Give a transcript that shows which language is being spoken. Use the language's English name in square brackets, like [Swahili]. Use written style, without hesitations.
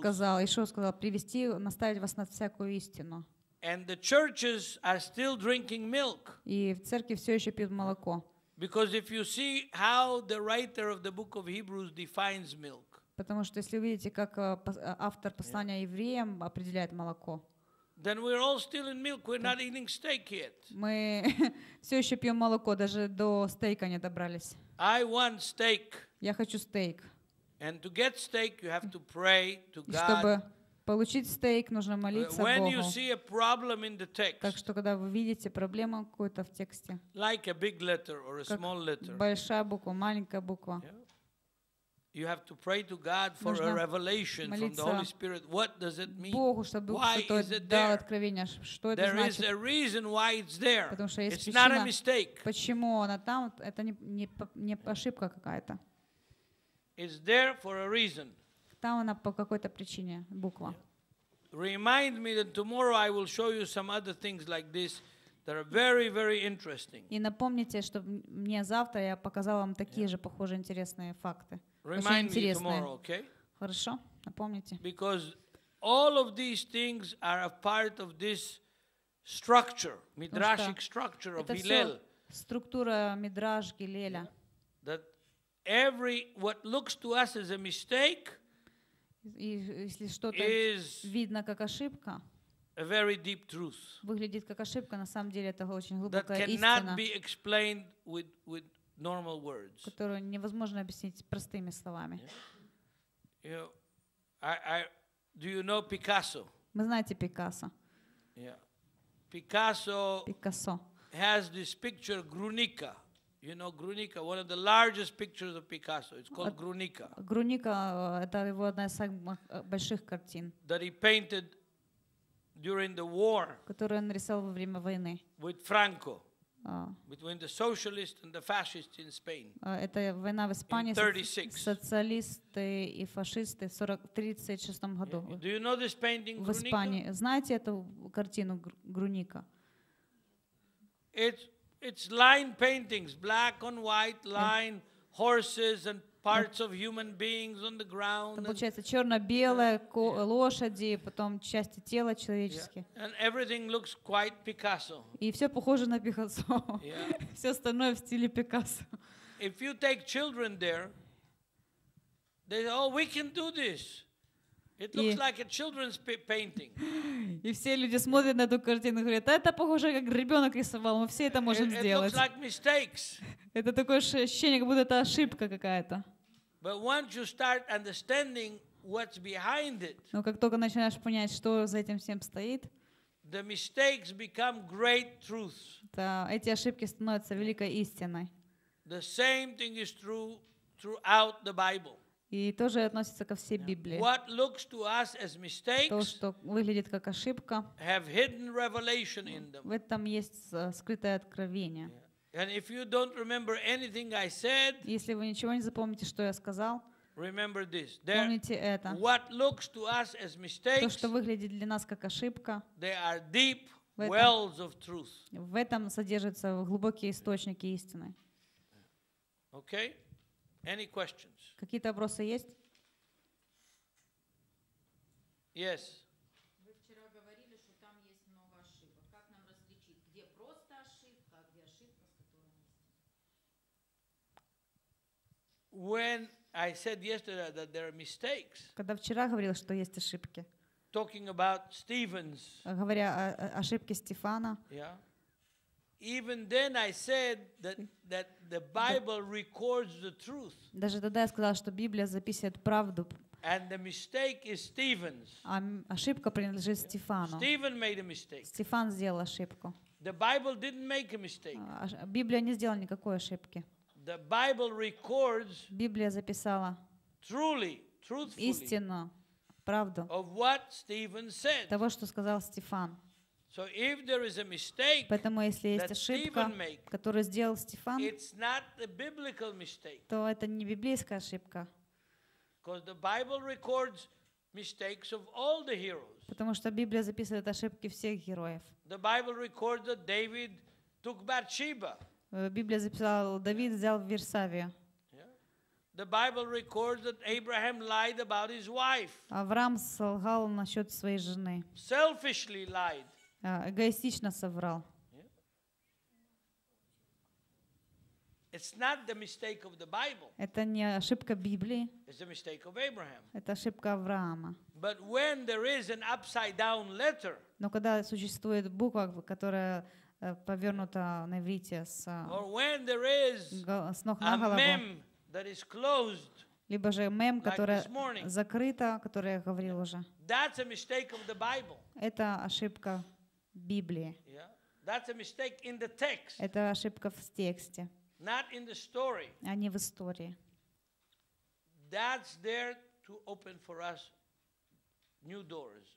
[Russian] Сказал, Иисус сказал, привести, наставить вас на всякую истину. [English] And the churches are still drinking milk. [Russian] И в церкви всё ещё пьют молоко. [English] Because if you see how the writer of the book of Hebrews defines milk. [Russian] Потому что если видите, как автор послания евреям определяет молоко. [English] Then we're all still in milk. We're not eating steak yet. [Russian] Мы все еще пьем молоко, даже до стейка не добрались. [English] I want steak. [Russian] Я хочу стейк. [English] And to get steak, you have to pray to God. [Russian] Чтобы получить стейк, нужно молиться Богу. [English] When you see a problem in the text. [Russian] Так что когда вы видите проблему какую-то в тексте. [English] Like a big letter or a small letter. [Russian] Большая буква, маленькая буква. [English] You have to pray to God for a revelation from the Holy Spirit. What does it mean? [Russian] Богу, чтобы Дух Святой дал откровение. Что это значит? [English] There is a reason why it's there. [Russian] Потому что есть причина. [English] It's not a mistake. [Russian] Почему она там? Это не ошибка какая-то. [English] It's there for a reason. [Russian] Там она по какой-то причине, буква. [English] Remind me that tomorrow I will show you some other things like this that are very, very interesting. [Russian] И напомните, что мне завтра я показал вам такие же похожие интересные факты. [English] Remind me tomorrow, okay? [Russian] Хорошо, напомните. [English] Because all of these things are a part of this structure, midrashic structure of Hillel. [Russian] Структура мидраш Гилеля. [English] That every what looks to us as a mistake [Russian] если что-то видно как ошибка, [English] a very deep truth. [Russian] Выглядит как ошибка, на самом деле это очень глубокая истина. [English] That cannot be explained with normal words. [Russian] Которую невозможно объяснить простыми словами. [English] Do you know Picasso? [Russian] Вы знаете Пикассо? [English] Picasso has this picture Grunica. You know Grunica, one of the largest pictures of Picasso. It's called Grunica. [Russian] Grunica это его одна из самых больших картин. [English] That he painted during the war. [Russian] Которую он рисовал во время войны. [English] With Franco. Between the socialists and the fascists in Spain. [Russian] Это война в Испании. [English] 36. [Russian] Социалисты и фашисты в 36 году. [English] Do you know this painting Grunica? [Russian] В Испании. Знаете эту картину Grunica? [English] It's line paintings, black on white line, horses and parts of human beings on the ground. [Russian] Получается черно-белое лошади, потом части тела человеческие. [English] And everything looks quite Picasso. [Russian] И все похоже на Пикассо. Все остальное в стиле Пикассо. [English] If you take children there, they say, "Oh, we can do this." It looks like a children's painting. [Russian] И все люди смотрят на эту картину и говорят, это похоже, как ребенок рисовал, мы все это можем сделать. [English] It looks like mistakes. [Russian] Это такое ощущение, как будто это ошибка какая-то. [English] But once you start understanding what's behind it, [Russian] но как только начинаешь понять, что за этим всем стоит, [English] the mistakes become great truths. [Russian] То эти ошибки становятся великой истиной. [English] The same thing is true throughout the Bible. [Russian] И тоже относится ко всей Библии. [English] What looks to us as mistakes, [Russian] то, что выглядит как ошибка, [English] have hidden revelation in them. [Russian] В этом есть скрытое откровение. [English] Yeah. And if you don't remember anything I said, [Russian] если вы ничего не запомните, что я сказал, [English] remember this. [Russian] Помните это. [English] What looks to us as mistakes, [Russian] то, что выглядит для нас как ошибка, [English] they are deep wells of truth. [Russian] В этом содержатся глубокие источники истины. [English] Okay? Any questions? [Russian] Какие-то вопросы есть? [English] Yes. [Russian] Вы вчера говорили, что там есть много ошибок. Как нам различить, где просто ошибка, а где ошибка, с которой есть? [English] When I said yesterday that there are mistakes. [Russian] Когда вчера говорил, что есть ошибки. [English] Talking about Stephen's. [Russian] Говоря о ошибке Стефана. [English] Yeah. Even then I said that the Bible records the truth. [Russian] Даже тогда я сказал, что Библия записывает правду. [English] And the mistake is Stephen's. [Russian] А ошибка принадлежит Стефану. [English] Stephen made a mistake. [Russian] Стефан сделал ошибку. [English] The Bible didn't make a mistake. [Russian] Библия не сделала никакой ошибки. [English] The Bible records. [Russian] Библия записала. [English] Truly, truthfully. [Russian] Истину, правду. [English] Of what Stephen said. [Russian] Того, что сказал Стефан. [English] So if there is a mistake, [Russian] поэтому если есть ошибка, которую сделал Стефан, [English] it's not a biblical mistake. [Russian] То это не библейская ошибка. [English] Because the Bible records mistakes of all the heroes. [Russian] Потому что Библия записывает ошибки всех героев. [English] The Bible records that David took Bathsheba. [Russian] Библия записала, Давид взял Версавию. [English] The Bible records that Abraham lied about his wife. [Russian] Авраам солгал насчет своей жены. [English] Selfishly lied. [Russian] Эгоистично соврал. [English] It's not the mistake of the Bible. [Russian] Это не ошибка Библии. [English] It's the mistake of Abraham. [Russian] Это ошибка Авраама. [English] But when there is an upside down letter. [Russian] Но когда существует буква, которая повернута на иврите с. [English] Or when there is [Russian] с ног на голову. [English] A mem that is closed. [Russian] Либо же мем, которая закрыта, которую я говорил уже. [English] That's a mistake of the Bible. [Russian] Это ошибка. Библии. [English] Yeah. That's a mistake in the text. [Russian] Это ошибка в тексте. [English] Not in the story. [Russian] А не в истории. [English] That's there to open for us new doors.